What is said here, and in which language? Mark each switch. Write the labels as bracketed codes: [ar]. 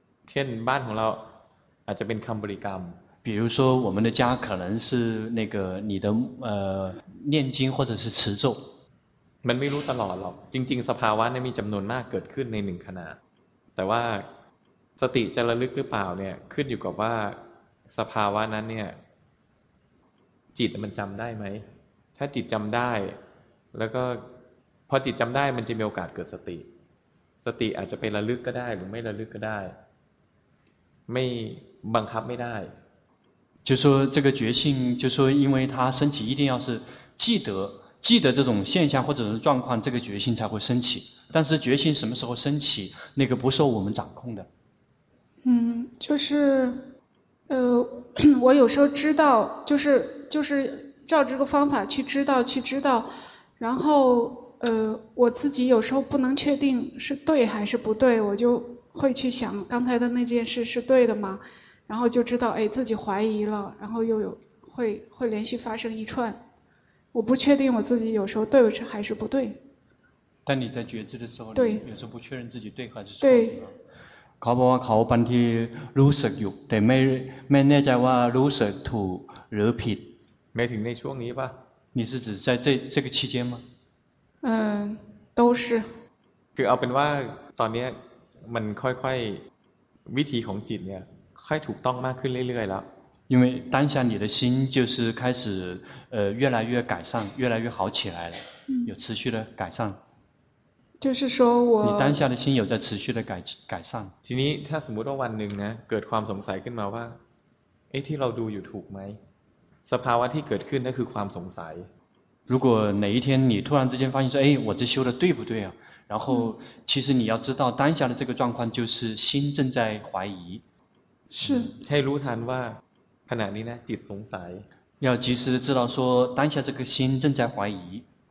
[th] เช่นบ้านของเราอาจจะเป็นคำบริกรรม [zh] 比如说我们的家可能是那个你的念经或者是持咒 [th] มันไม่รู้ตลอดหรอกจริงๆสภาวะนี้มีจำนวนมากเกิดขึ้นในหนึ่งขณะแต่ว่าสติจะระลึกหรือเปล่าเนี่ยขึ้นอยู่กับว่าสภาวะนั้นเนี่ยจิตมันจำได้ไหมถ้าจิตจำได้แล้วก็พอจิตจำได้มันจะมีโอกาสเกิดสติอาจจะไประลึกก็ได้หรือไม่ระลึกก็ได้ไม่บังคับไม่ได้ [zh] 就说这个觉性，就说因为它升起，一定要是记得这种现象或者是状况，这个觉性才会升起。但是觉性什么时候升起，那个不受我们掌控的。就是，我有时候知道，就是照这个方法去知道，然后我自己有时候不能确定是对还是不对，我就会去想刚才的那件事是对的吗？然后就知道，哎，自己怀疑了，然后又有会连续发生一串，我不确定我自己有时候对还是不对。但你在觉知的时候，对，有时候不确认自己对还是错。对。 [th] เขาบอกว่าเขาบางทีรู้สึกอยู่แต่ไม่แน่ใจว่ารู้สึกถูกหรือผิด。 [zh] 没停在 [th] ช่วงนี้ [zh] 吧？你是指在这个期间吗？都是。 [th] คือเอาเป็นว่าตอนนี้มันค่อยๆวิธีของจิตเนี่ยค่อยถูกต้องมากขึ้นเรื่อยๆแล้ว [zh] 因为当下你的心就是开始越来越改善越来越好起来了有持续的改善就是说我你当下的心有在持续的改善 [th] ทีนี้ถ้าสมมติว่าวันหนึ่งนะเกิดความสงสัยขึ้นมาว่าเอ๊ะที่เราดูอยู่ถูกไหมสภาวะที่เกิดขึ้นนั่นคือความสงสัย [zh] 如果哪一天你突然之间发现说哎我这修的对不对啊然后其实你要知道当下的这个状况就是心正在怀疑是 [th] ให้รู้ทันว่าขณะนี้นะจิตสงสัย [zh] 要及时知道说当下这个心正在怀疑